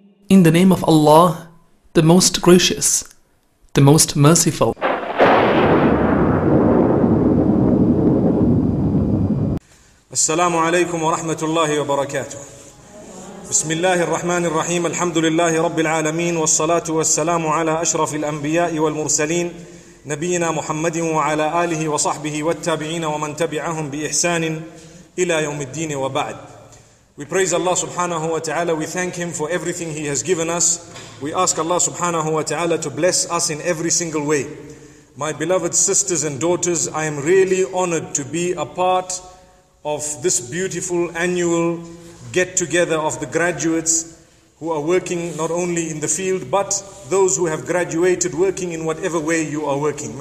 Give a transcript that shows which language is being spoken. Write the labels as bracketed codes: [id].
[en] In the name of Allah, the Most Gracious, the Most Merciful. [ar] السلام عليكم ورحمة الله وبركاته. بسم الله الرحمن الرحيم. الحمد لله رب العالمين والصلاة والسلام على أشرف الأنبياء والمرسلين نبينا محمد وعلى آله وصحبه والتابعين ومن تبعهم بإحسان إلى يوم الدين وبعد. [en] We praise Allah subhanahu wa ta'ala. We thank Him for everything He has given us. We ask Allah subhanahu wa ta'ala to bless us in every single way. My beloved sisters and daughters, I am really honored to be a part of this beautiful annual get together of the graduates who are working not only in the field but those who have graduated working in whatever way you are working.